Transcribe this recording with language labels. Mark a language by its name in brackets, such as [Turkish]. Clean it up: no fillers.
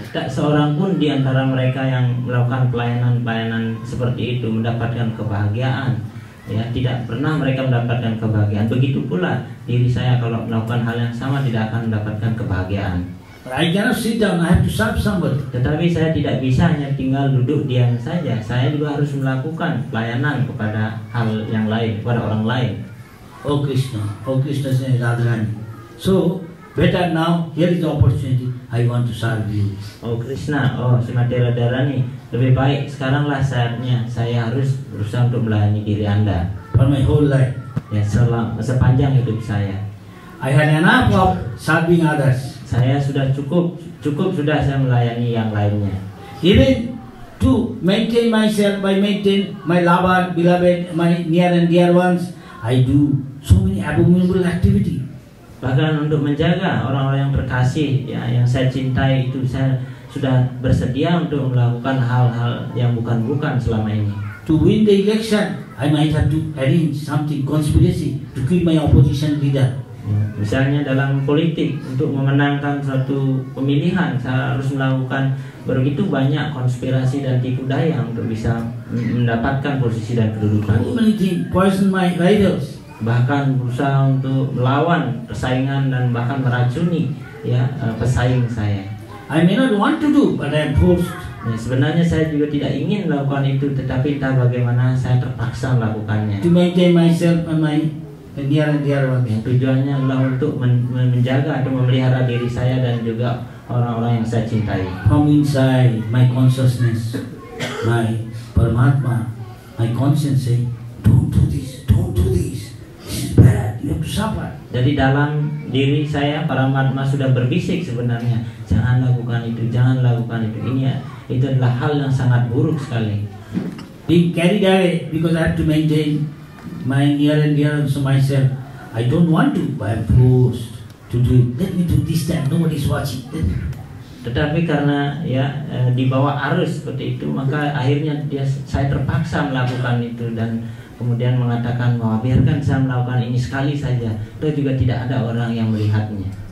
[Indonesian] Tak seorang pun di antara mereka yang melakukan pelayanan-pelayanan seperti itu mendapatkan kebahagiaan. Ya, tidak pernah mereka mendapatkan kebahagiaan. Begitu pula diri saya kalau melakukan hal yang sama tidak akan mendapatkan kebahagiaan. [English] I cannot sit down, I have to serve somebody. [Indonesian] Tetapi saya tidak bisa hanya tinggal duduk diam saja. Saya juga harus melakukan pelayanan kepada hal yang lain, kepada orang lain. Oh Krishna saya Radharani. [English] So better now, here is the opportunity, I want to serve you. [Indonesian] Oh Krishna, oh Srimati Radharani, lebih baik sekaranglah saatnya saya harus berusaha untuk melayani diri Anda. [English] For my whole life, [Indonesian] ya sepanjang hidup saya, [English] I had enough of serving others. [Indonesian] Saya sudah cukup sudah saya melayani yang lainnya. [English] Even to maintain myself, by maintain my lover, beloved, my near and dear ones, I do so many abominable activity. [Indonesian] Bahkan untuk menjaga orang-orang yang terkasih, ya, yang saya cintai itu, saya sudah bersedia untuk melakukan hal-hal yang bukan-bukan selama ini. [English] To win the election, I might have to arrange something conspiracy to keep my opposition leader. [Indonesian] Misalnya dalam politik, untuk memenangkan suatu pemilihan, saya harus melakukan begitu banyak konspirasi dan tipu daya untuk bisa mendapatkan posisi dan kedudukan. [English] Too many things, poison my rivals. [Indonesian] Bahkan berusaha untuk melawan persaingan dan bahkan meracuni ya pesaing saya. [English] I may not want to do, but I am forced. [Indonesian] Ya, sebenarnya saya juga tidak ingin melakukan itu, tetapi entah bagaimana saya terpaksa melakukannya. [English] To maintain myself and my dear ones. [Indonesian] Tujuannya adalah untuk menjaga atau memelihara diri saya dan juga orang-orang yang saya cintai. [English] From inside my consciousness, my Paramatma, my conscience say, don't do this, this is bad, you have to suffer. [Indonesian] Jadi dalam diri saya, Paramatma sudah berbisik sebenarnya, jangan lakukan itu, jangan lakukan itu. Ini ya, itu adalah hal yang sangat buruk sekali. [English] Being carried away because I have to maintain my near and dear to myself. I don't want to, but I'm forced to do it. Let me do this time, nobody's watching. [Indonesian] Tetapi karena ya dibawa arus seperti itu, maka akhirnya dia saya terpaksa melakukan itu dan kemudian mengatakan bahwa biarkan saya melakukan ini sekali saja, itu juga tidak ada orang yang melihatnya.